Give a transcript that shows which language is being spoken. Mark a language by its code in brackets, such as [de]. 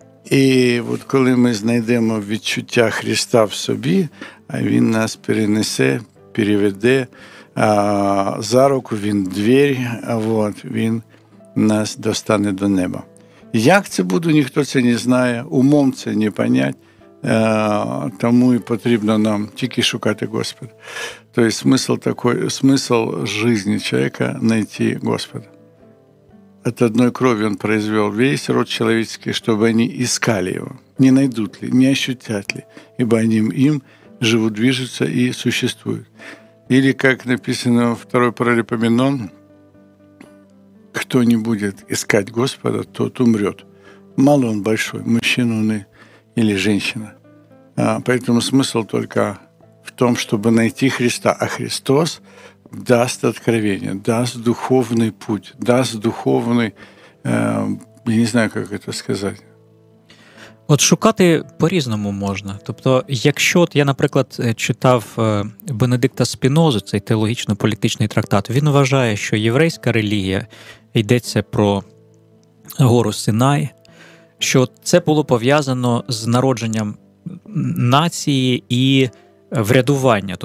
[uk] І от коли ми знайдемо відчуття Христа в собі, Він нас перенесе, переведе за руку, Він двір, от, Він нас достане до неба. Як це буде, ніхто це не знає, умом це не понять, тому і потрібно нам тільки шукати Господа. Тобто смисл такий, смисл житті чоловіка – знайти Господа. [ru] От одной крови он произвел весь род человеческий, чтобы они искали его. Не найдут ли, не ощутят ли, ибо они им живут, движутся и существуют. Или, как написано во второй Паралипоменон, кто не будет искать Господа, тот умрет. Мало он большой, мужчина он или женщина. Поэтому смысл только в том, чтобы найти Христа, а Христос даст откровение, даст духовный путь, даст духовный, я не знаю, как это сказать. [uk] От шукати по-різному можна. Тобто, якщо от я, наприклад, читав Бенедикта Спінозу, цей теологічно-політичний трактат, він вважає, що єврейська релігія, йдеться про гору Синай, що це було пов'язано з народженням нації і врядування.